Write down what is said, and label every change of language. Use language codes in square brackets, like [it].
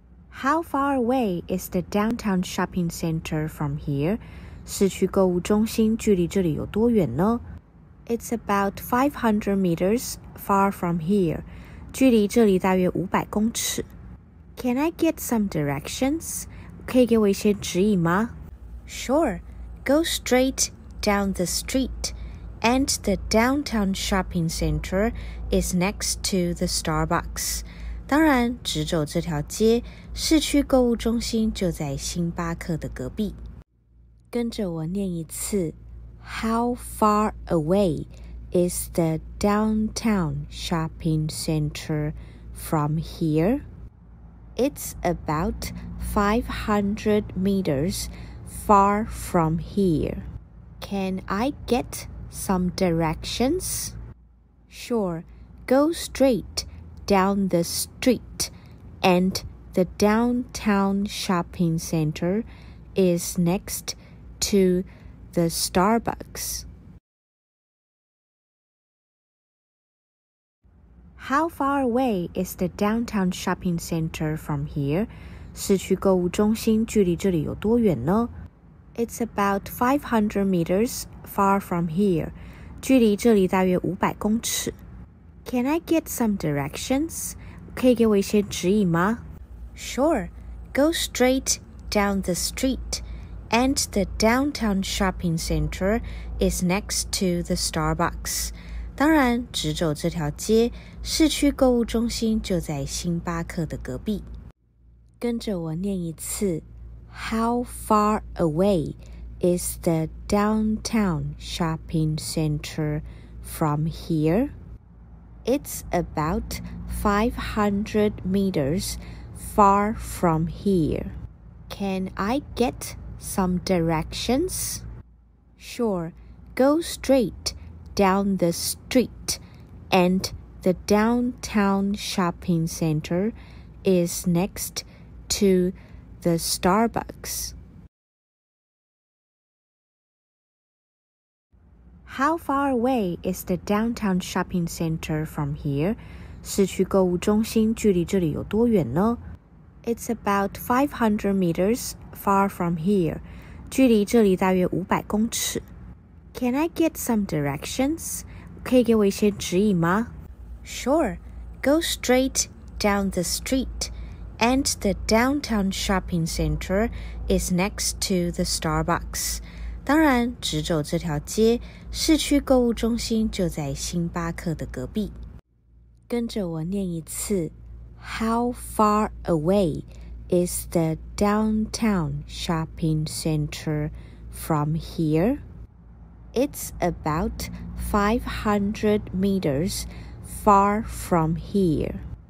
[en] How far away is the downtown shopping center from here? [zh] 市区购物中心距离这里有多远呢？ [en] It's about 500 meters far from here. [zh] 距离这里大约500公尺。 [en] Can I get some directions? [zh] 可以给我一些指引吗？ [en] Sure. Go straight down the street. And the downtown shopping center is next to the Starbucks. [zh] 当然，直走这条街，市区购物中心就在星巴克的隔壁。跟着我念一次 [en] ：How far away is the downtown shopping center from here? It's about 500 meters far from here. Can I get some directions? Sure, go straight down the street, and the downtown shopping center is next to the Starbucks. How far away is the downtown shopping center from here? [zh] 市区购物中心距离这里有多远呢？ [en] It's about 500 meters far from here. [zh] 距离这里大约500公尺。 [en] Can I get some directions? [zh] 可以给我一些指引吗? [en] Sure. Go straight down the street, and the downtown shopping center is next to the Starbucks. [zh] 当然，直走这条街，市区购物中心就在星巴克的隔壁。跟着我念一次。 [en] How far away is the downtown shopping center from here? It's about 500 meters far from here. Can I get some directions? Sure, go straight down the street, and the downtown shopping center is next to the Starbucks. How far away is the downtown shopping center from here? [zh] 市区购物中心距离这里有多远呢? [en] It's about 500 meters far from here. [zh] 距离这里大约500公尺。 [en] Can I get some directions? [zh] 可以给我一些指引吗? [en] Sure. Go straight down the street, and the downtown shopping center is next to the Starbucks. [zh] 当然，直走这条街，市区购物中心就在星巴克的隔壁。跟着我念一次 [en] ：How far away is the downtown shopping center from here? It's about 500 meters far from here.